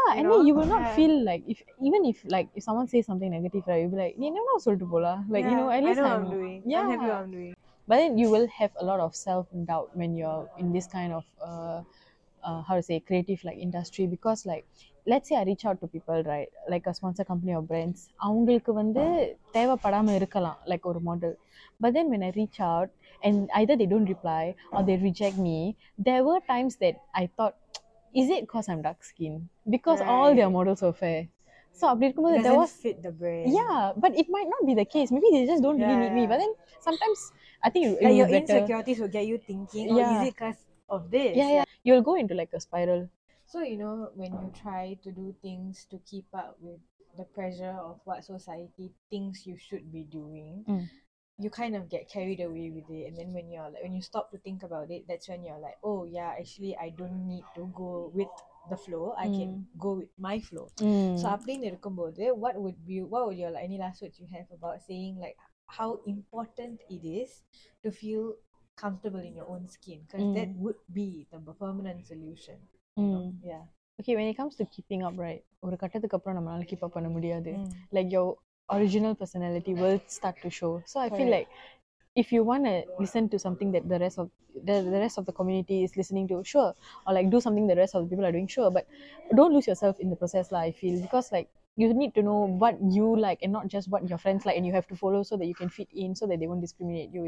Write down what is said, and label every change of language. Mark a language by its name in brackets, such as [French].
[English] Yeah, you and know? Then you will not feel like, if someone says something negative, right, you'll be like, you know, sort of bola. Like, you know, at least I know what I'm doing. Yeah. I'm happy what I'm doing. But then you will have a lot of self-doubt when you're in this kind of, creative, like, industry. Because, like, let's say I reach out to people, right, like a sponsor company or brands. [Tamil] அவங்களுக்கு வந்து தேவைப்படாமல் இருக்கலாம், like, ஒரு model. [English] But then when I reach out, and either they don't reply or they reject me, there were times that I thought, is it because I'm dark skin? Because all their models are fair. So, fit the brand. Yeah, but it might not be the case. Maybe they just don't really need me. But then sometimes, I think it will be better. Your insecurities will get you thinking, is it because of this? Yeah. You'll go into like a spiral. So, you know, when you try to do things to keep up with the pressure of what society thinks you should be doing, you kind of get carried away with it, and then when you're like, when you stop to think about it, that's when you're like, oh yeah, actually I don't need to go with the flow, I can go with my flow. So [Tamil] அப்படின்னு இருக்கும்போது, [English] what would your, like, any last words you have about saying like how important it is to feel comfortable in your own skin, because that would be the permanent solution. Okay, when it comes to keeping up, right, [Tamil] ஒரு கட்டத்துக்கு அப்புறம் நம்மளால keep up பண்ண முடியாது. [English] Like your original personality will start to show. So I feel like if you want to listen to something that the rest of the community is listening to, sure, or like do something the rest of the people are doing, sure, but don't lose yourself in the process, like, I feel, because like you need to know what you like and not just what your friends like, and you have to follow so that you can fit in, so that they won't discriminate you.